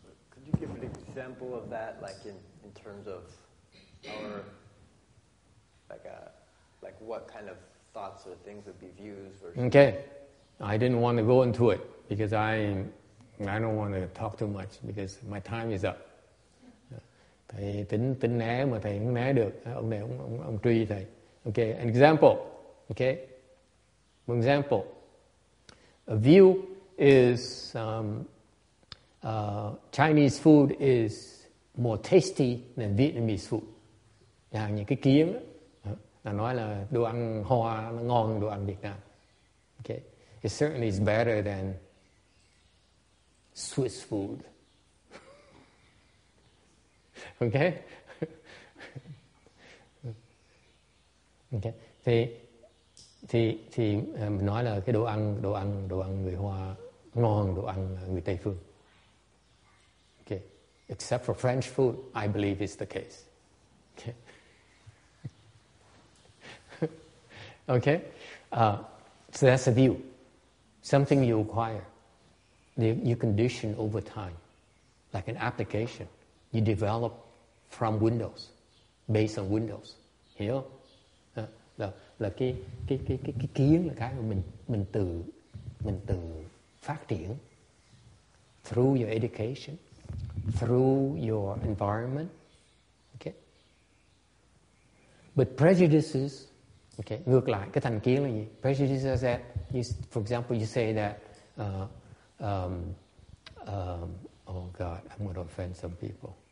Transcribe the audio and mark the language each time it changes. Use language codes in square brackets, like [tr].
[en] Could you give an example of that, like in terms of our, like what kind of thoughts or things would be views versus... Okay. I didn't want to go into it because I don't want to talk too much because my time is up. [vi] Thầy tính tính né mà thầy không né được. Ông này ông truy thầy. [en] Okay, an example. Okay, an example. A view is Chinese food is more tasty than Vietnamese food. [vi] Nhà những cái kiến là nói là đồ ăn Hoa nó ngon đồ ăn Việt Nam. [en] Okay, it certainly is better than Swiss food. Okay. Okay. [vi] Thì mình nói là cái đồ ăn người Hoa ngon, đồ ăn người Tây phương. [en] Okay. Except for French food, I believe is the case. Okay. Okay. So that's a view. Something you acquire. You condition over time. Like an application. You develop from windows, based on windows, [vi] hiểu không? Là cái kiến là cái mà mình tự phát triển [en] through your education, through your environment, okay. But prejudices, okay, [vi] ngược lại cái thành kiến là gì? [en] Prejudices are that, for example, you say that, oh God, I'm going to offend some people.